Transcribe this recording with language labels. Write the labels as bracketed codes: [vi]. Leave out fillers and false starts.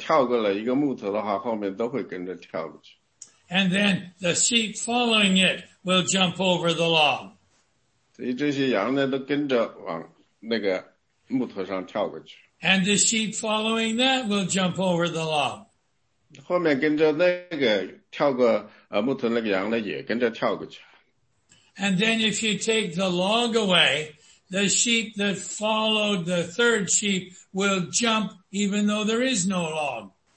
[zh] 所以呢，就是我们这样，牧羊人通常会告诉我们，如果你有一对羊在走的话，前面那个羊，它如果跳过了一个木头的话，后面都会跟着跳过去。 [en] And then the sheep following it will jump over the log. [zh] 所以这些羊呢，都跟着往那个木头上跳过去。 [en] And the sheep following that will jump over the log. [zh] 后面跟着那个跳过木头那个羊呢，也跟着跳过去。 [en] And then if you take the log away, the sheep that followed the third sheep will jump even though there is no log.